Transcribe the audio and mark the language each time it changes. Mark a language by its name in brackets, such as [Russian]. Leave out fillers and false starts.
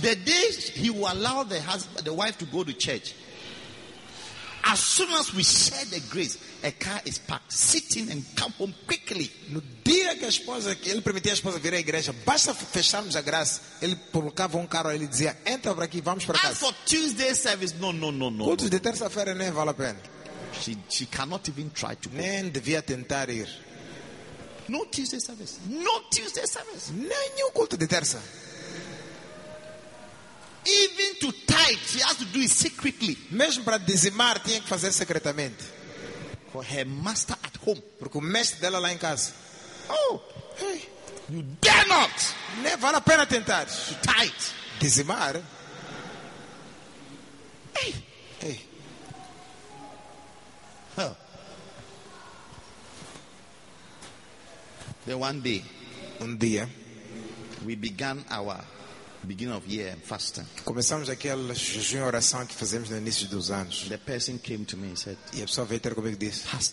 [English] The day he will allow the wife to go to church, as soon as we share the grace, a car is parked, sitting and come home quickly. [Portuguese] No dia que a esposa, ele permitia a esposa vir à igreja, basta fecharmos a graça, ele colocava carro, ele dizia, entra para aqui, vamos para casa. [English] As for Tuesday service, no. [Portuguese] Outros de terça-feira nem vale a pena. [English] She cannot even try to go. [Portuguese] Nem devia tentar ir. [English] No Tuesday service. No Tuesday service. [Portuguese] Nenhum culto de terça. [English] Even to tithe, she has to do it secretly. [Portuguese] Mesmo para dizimar, tinha que fazer secretamente. [English] For her master at home. [Portuguese] Porque o mestre dela lá em casa. Oh. Hey. [English] You dare not. [Portuguese] Nem vale a pena tentar. [English] To tithe. [Portuguese] Dizimar. Hey. [English] Then one day, we began our beginning of year and fasting. [Portuguese] Começamos aquela jejum e oração que fazemos no início dos anos. [English] The person came to me and said, [Portuguese] e a pessoa veio ter comigo e disse,